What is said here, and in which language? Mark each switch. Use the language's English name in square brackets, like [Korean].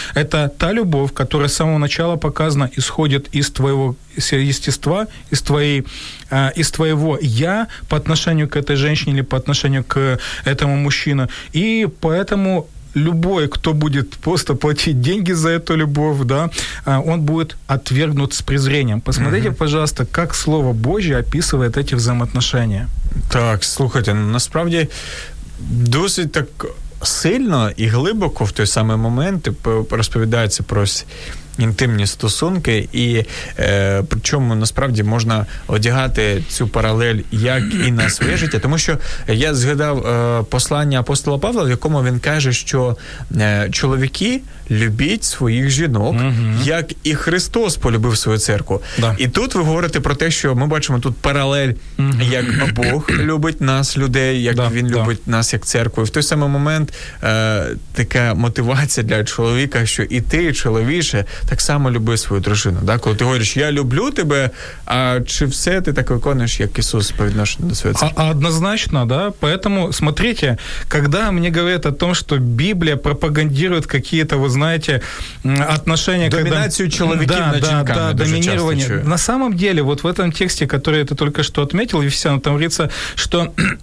[Russian] Это та любовь, которая с самого начала показана, исходит из твоего естества, из твоего «я» по отношению к этой женщине или по отношению к этому мужчине. И поэтому любой, кто будет просто платить деньги за эту любовь, да, он будет отвергнут с презрением. Посмотрите, пожалуйста, как Слово Божье описывает эти взаимоотношения. [Ukrainian] Так, слухайте, насправді... Досить так сильно і глибоко в той самий момент розповідається про інтимні стосунки, і причому насправді можна одягати цю паралель як і на своє життя. Тому що я згадав послання апостола Павла, в якому він каже, що чоловіки любіть своїх жінок, як і Христос полюбив свою церкву. Да. І тут ви говорите про те, що ми бачимо тут паралель, як Бог любить нас, людей, як він любить нас, як церкву. І в той самий момент така мотивація для чоловіка, що і ти, і чоловіше, так само люби свою дружину. Да? Коли ти говориш, я люблю тебе, а чи все ти так виконуєш, як Ісус по відношенню до своєї церкви? А однозначно, да. [Russian] Поэтому, смотрите, когда мне говорят о том, что Библия пропагандирует какие-то, вы знаете, отношения... Доминацию когда... человеки да, на чинках. Да, доминирование. На самом деле, вот в этом тексте, который ты только что отметил, Ефесянам, там говорится, что...